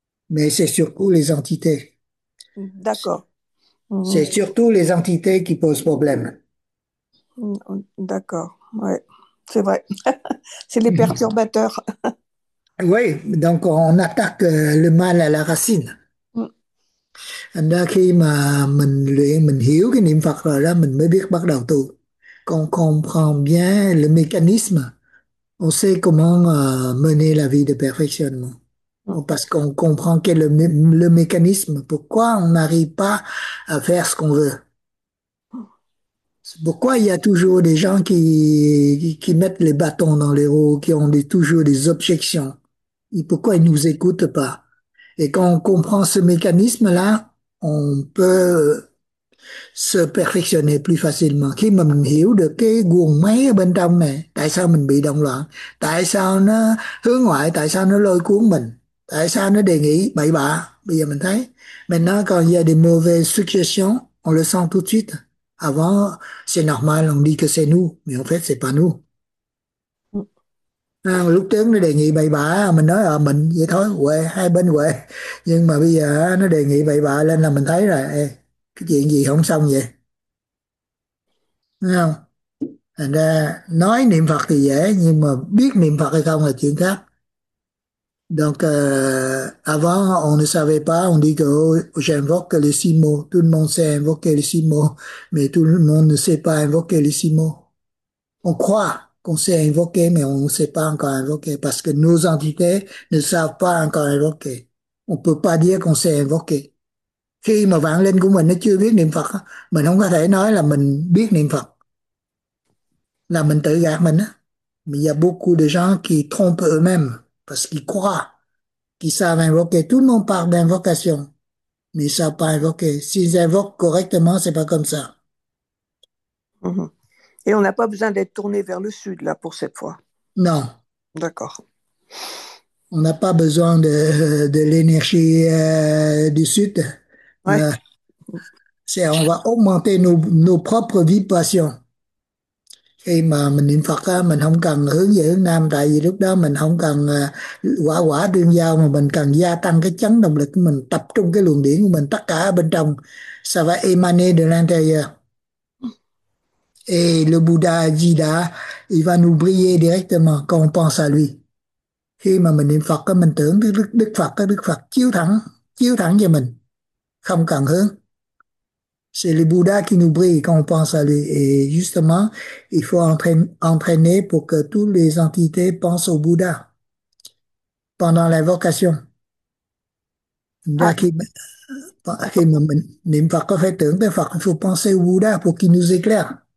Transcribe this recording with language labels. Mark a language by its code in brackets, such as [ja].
[fr] Mais c'est surtout les entités. D'accord. C'est surtout les entités qui posent problème. D'accord. Ouais. C'est vrai. C'est les Oui, perturbateurs. donc on attaque le mal à la racine. [vi] Thành ra khi mà mình luyện, mình hiểu cái niệm Phật rồi đó, mình mới biết bắt đầu tu. Còn [fr] comprendre bien le mécanisme, on sait comment mener la vie de perfectionnement. Parce qu'on comprend quel est le mécanisme, pourquoi on n'arrive pas à faire ce qu'on veut. Pourquoi il y a toujours des gens qui mettent les bâtons dans les roues, qui ont toujours des objections. Et pourquoi ils ne nous écoutent pas? Et quand on comprend ce mécanisme-là, on peut se perfectionner plus facilement. [vi] Khi mà mình hiểu được cái guồng máy ở bên trong này, tại sao mình bị động loạn, tại sao nó hướng ngoại, tại sao nó lôi cuốn mình, tại sao nó đề nghị bậy bạ. Bây giờ mình thấy, [fr] maintenant quand il y a des mauvaises suggestions, on le sent tout de suite. Avant, c'est normal, on dit que c'est nous, mais en fait, c'est pas nous. [vi] À, lúc trước nó đề nghị bậy bạ, mình nói là mình vậy thôi, quê, hai bên quê. Nhưng mà bây giờ nó đề nghị bậy bạ lên là mình thấy rồi, ê, cái chuyện gì không xong vậy. Thấy không? Thành ra nói niệm Phật thì dễ, nhưng mà biết niệm Phật hay không là chuyện khác. [fr] Donc, avant, on ne savait pas, on dit que oh, j'invoque les six mots. Tout le monde sait invoquer les six mots, mais tout le monde ne sait pas invoquer les six mots. On croit qu'on sait invoquer, mais on ne sait pas encore invoquer, parce que nos entités ne savent pas encore invoquer. On peut pas dire qu'on sait invoquer. [vi] Khi mà vạn linh của mình nó chưa biết niệm Phật, mình không có thể nói là mình biết niệm Phật. Là mình tự gạt mình á. [fr] Mais il y a beaucoup de gens qui trompent eux-mêmes, parce qu'ils croient qu'ils savent invoquer. Tout le monde parle d'invocation, mais ils savent pas invoquer. S'ils invoquent correctement, c'est pas comme ça. Et on n'a pas besoin d'être tourné vers le sud, là, pour cette fois. Non. D'accord. On n'a pas besoin de l'énergie du sud. Ouais. C'est, on va augmenter nos propres vibrations. [vi] Khi mà mình niệm Phật á, mình không cần hướng về hướng nam, tại vì lúc đó mình không cần quả quả tương giao, mà mình cần gia tăng cái chấn động lực của mình, tập trung cái luồng điển của mình tất cả ở bên trong. [fr] Ça va émaner de l'intérieur. Et le Bouddha Jida, il va nous briller directement quand on pense à lui. [vi] Khi mà mình niệm Phật, mình tưởng Đức Phật chiếu thẳng cho mình, không cần hướng. [fr] C'est le Bouddha qui nous brille quand on pense à lui. Et justement, il faut entraîner pour que toutes les entités pensent au Bouddha pendant l'invocation. [vi] Khi mà mình niệm Phật, có fait tưởng tới Phật, [fr] il faut penser au Bouddha pour qu'il nous éclaire.